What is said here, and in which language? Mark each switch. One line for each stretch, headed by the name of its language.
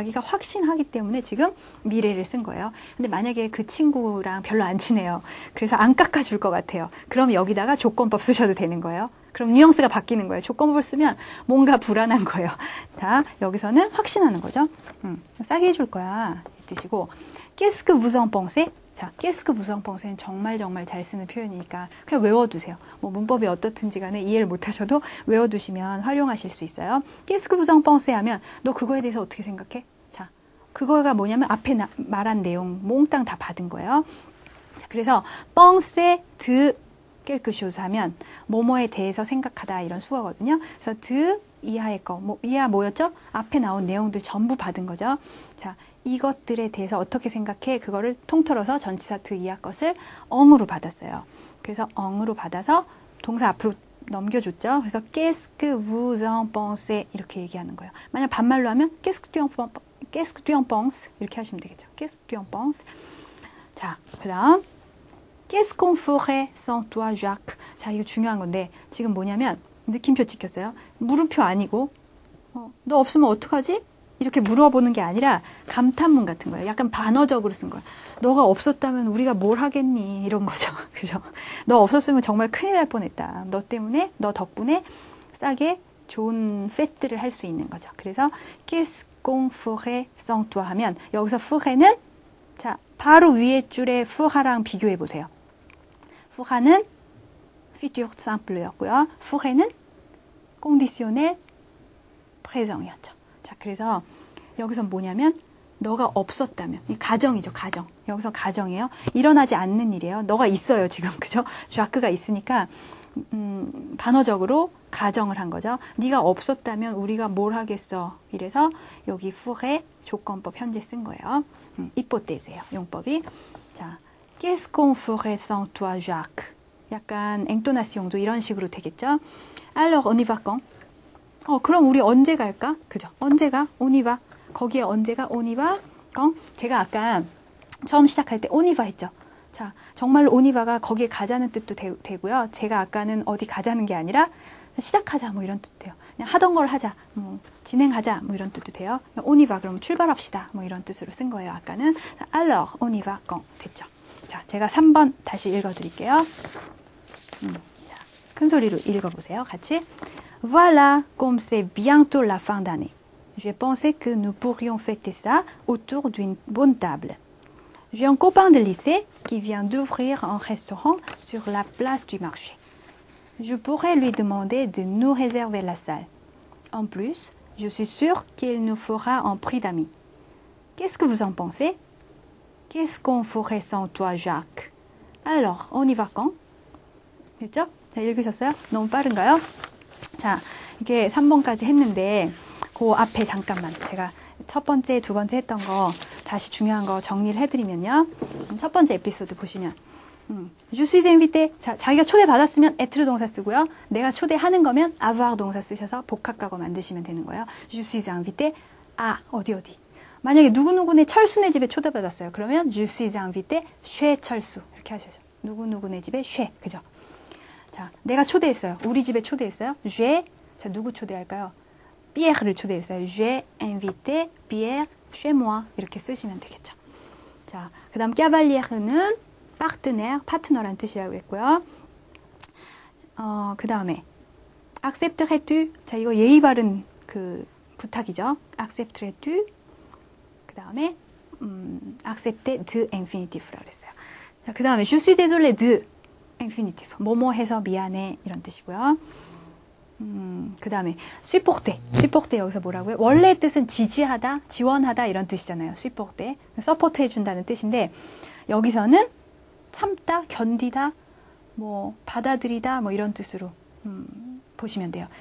Korean: 자기가 확신하기 때문에 지금 미래를 쓴 거예요. 근데 만약에 그 친구랑 별로 안 친해요. 그래서 안 깎아줄 것 같아요. 그럼 여기다가 조건법 쓰셔도 되는 거예요. 그럼 뉘앙스가 바뀌는 거예요. 조건법을 쓰면 뭔가 불안한 거예요. 자, 여기서는 확신하는 거죠. 싸게 해줄 거야. 이 뜻이고.
French: Qu'est-ce que vous en pensez? 자, qu'est-ce que vous en pensez?
Korean: 정말 정말 잘 쓰는 표현이니까 그냥 외워두세요. 뭐 문법이 어떻든지 간에 이해를 못하셔도 외워두시면 활용하실 수 있어요.
French: Qu'est-ce que vous en pensez?
Korean: 하면 너 그거에 대해서 어떻게 생각해? 자, 그거가 뭐냐면 앞에 말한 내용 몽땅 다 받은 거예요. 자, 그래서 pensez de quelque chose 하면 뭐뭐에 대해서 생각하다 이런 수거거든요. 그래서 de 이하의 거, 뭐 이하 뭐였죠? 앞에 나온 내용들 전부 받은 거죠. 자. 이것들에 대해서 어떻게 생각해? 그거를 통틀어서 전치사 드 이하 것을 엉으로 받았어요. 그래서 엉으로 받아서 동사 앞으로 넘겨줬죠.
French: 그래서 Qu'est-ce que vous en pensez?
Korean: 이렇게 얘기하는 거예요.
French: 만약 반말로 하면 Qu'est-ce que tu en penses?
Korean: 이렇게 하시면 되겠죠.
French: Qu'est-ce que tu en penses?
Korean: 자, 그다음
French: Qu'est-ce qu'on ferait sans toi, Jacques?
Korean: 자, 이거 중요한 건데 지금 뭐냐면 느낌표 찍혔어요. 물음표 아니고 너 없으면 어떡하지? 이렇게 물어보는 게 아니라 감탄문 같은 거예요. 약간 반어적으로 쓴 거예요. 너가 없었다면 우리가 뭘 하겠니? 이런 거죠. 그죠? 너 없었으면 정말 큰일 날 뻔했다. 너 때문에, 너 덕분에 싸게 좋은 페트를 할수 있는 거죠. 그래서 Qu'est-ce qu'on ferait sans toi 하면 여기서 ferait는 자, 바로 위에 줄에 fera랑 비교해 보세요. fera는 futur simple였고요. ferait는 conditionnel présent이었죠. 자, 그래서 여기서 뭐냐면 너가 없었다면 이 가정이죠, 가정. 여기서 가정이에요. 일어나지 않는 일이에요. 너가 있어요, 지금. 그죠? 자크가 있으니까 반어적으로 가정을 한 거죠. 네가 없었다면 우리가 뭘 하겠어. 이래서 여기 후에 조건법 현재 쓴 거예요. 이포테세요. 용법이.
French: 자, Qu'est-ce qu'on ferait sans toi, Jacques?
Korean: 약간 엔토나시용도 이런 식으로 되겠죠?
French: Alors, on y va quand?
Korean: 그럼 우리 언제 갈까? 그죠? 언제 가? 오니바. 거기에 언제가? 오니바. 그럼 제가 아까 처음 시작할 때 오니바 했죠? 자, 정말로 오니바가 거기에 가자는 뜻도 되고요. 제가 아까는 어디 가자는 게 아니라 시작하자 뭐 이런 뜻 돼요. 그냥 하던 걸 하자, 진행하자 뭐 이런 뜻도 돼요. 오니바 그럼 출발합시다 뭐 이런 뜻으로 쓴 거예요. 아까는 alors 오니바 quand 됐죠? 자, 제가 3번 다시 읽어드릴게요. 자, 큰 소리로 읽어보세요. 같이.
French: Voilà, comme c'est bientôt la fin d'année. J'ai pensé que nous pourrions fêter ça autour d'une bonne table. J'ai un copain de lycée qui vient d'ouvrir un restaurant sur la place du marché. Je pourrais lui demander de nous réserver la salle. En plus, je suis sûre qu'il nous fera un prix d'ami. Qu'est-ce que vous en pensez? Qu'est-ce qu'on ferait sans toi, Jacques? Alors, on y va quand?
Korean: 됐죠? 잘 읽으셨어요? 너무 빠른가요? 자, 이게 3번까지 했는데, 그 앞에 잠깐만 제가 첫 번째, 두 번째 했던 거 다시 중요한 거 정리를 해드리면요. 첫 번째 에피소드 보시면,
French: Je suis invité.
Korean: 자, 자기가 초대받았으면 être 동사 쓰고요. 내가 초대하는 거면 avoir 동사 쓰셔서 복합과거 만드시면 되는 거예요.
French: Je suis invité. 아, 어디 어디.
Korean: 만약에 누구누구네 철수네 집에 초대받았어요.
French: 그러면 Je suis invité chez 철수.
Korean: 이렇게 하셔야죠. 누구누구네 집에 chez. 그죠? 자, 내가 초대했어요. 우리 집에 초대했어요. J'ai. 자, 누구 초대할까요? Pierre를 초대했어요.
French: J'ai invité Pierre chez moi.
Korean: 이렇게 쓰시면 되겠죠. 자, 그 다음 Cavalier는 partenaire, partner란 뜻이라고 했고요. 그 다음에 accepterais-tu? 자, 이거 예의 바른 그 부탁이죠. accepterais-tu? 그 다음에 accepter de infinitif라고 했어요. 자, 그 다음에
French: je suis désolé de infinitif.
Korean: 뭐뭐 해서 미안해 이런 뜻이고요. 그 다음에 supporter. supporter 여기서 뭐라고요? 원래 뜻은 지지하다, 지원하다 이런 뜻이잖아요. supporter. 서포트 해준다는 뜻인데 여기서는 참다, 견디다, 뭐 받아들이다 뭐 이런 뜻으로 보시면 돼요.